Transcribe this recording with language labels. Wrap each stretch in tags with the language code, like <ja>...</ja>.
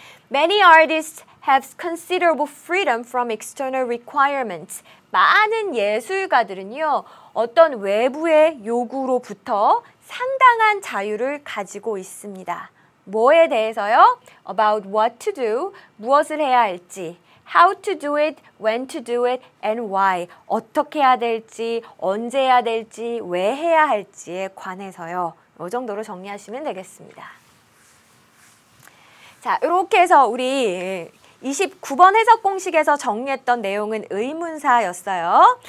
<en>Many artists have considerable freedom from external requirements.</en> <ko>많은 예술가들은요, 어떤 외부의 요구로부터 상당한 자유를 가지고 있습니다. 뭐에 대해서요?</ko> <en>About what to do,</en> <ko>무엇을 해야 할지.</ko> <en>How to do it, when to do it, and why.</en> <ko>어떻게 해야 될지, 언제 해야 될지, 왜 해야 할지에 관해서요. 이 정도로 정리하시면 되겠습니다. 자, 이렇게 해서 우리 29번 해석 공식에서 정리했던 내용은 의문사였어요.</ko>